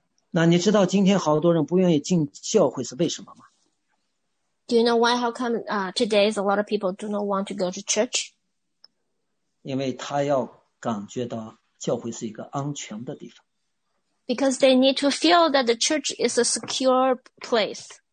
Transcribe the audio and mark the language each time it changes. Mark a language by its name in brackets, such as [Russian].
[Chinese] 那你知道今天好多人不愿意进教会是为什么吗？ [English] Do you know why? How come today a lot of people do not want to go to church? [Chinese] 因为他要感觉到教会是一个安全的地方。 [English] Because they need to feel that the church is a secure place.